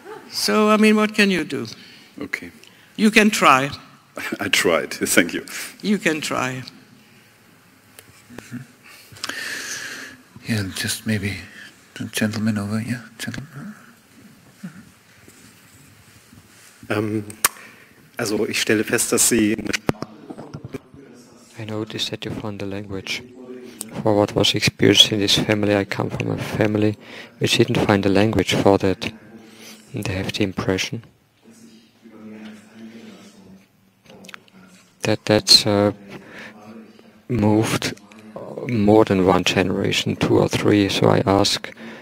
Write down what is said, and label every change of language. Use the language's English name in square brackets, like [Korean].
[English] So, I mean, what can you do? Okay. You can try. I tried. Thank you. You can try. Mm-hmm. Yeah, just maybe the gentleman over here. Gentleman. [German] Also ich stelle fest, dass Sie... [English] I noticed that you found the language for what was experienced in this family. I come from a family which didn't find the language for that. And they have the impression that that's moved more than one generation, 2 or 3. So I ask...